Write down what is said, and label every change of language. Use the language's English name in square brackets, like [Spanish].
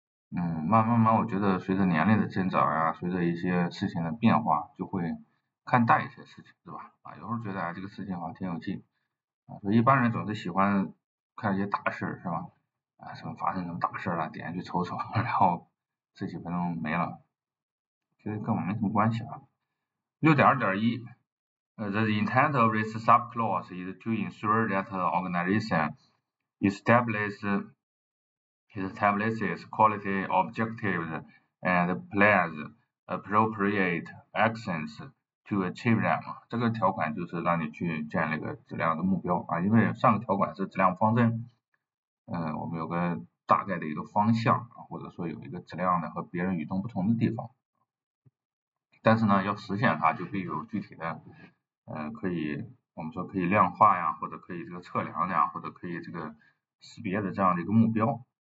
[Chinese] 慢慢，我觉得随着年龄的增长呀，随着一些事情的变化，就会看淡一些事情，对吧？啊，有时候觉得啊，这个事情好像挺有劲啊，所以一般人总是喜欢看一些大事，是吧？啊，什么发生什么大事了，点下去瞅瞅，然后这几分钟没了，其实跟我没什么关系啊。 [English] 6.2.1，the intent of this sub clause is to ensure that the organization establishes quality objectives and plans appropriate actions to achieve them。 [Chinese] 这个条款就是让你去建立个质量的目标啊，因为上个条款是质量方针，我们有个大概的一个方向啊，或者说有一个质量的和别人与众不同的地方。但是呢，要实现它就可以有具体的，可以我们说可以量化呀，或者可以这个测量呀，或者可以这个识别的这样的一个目标。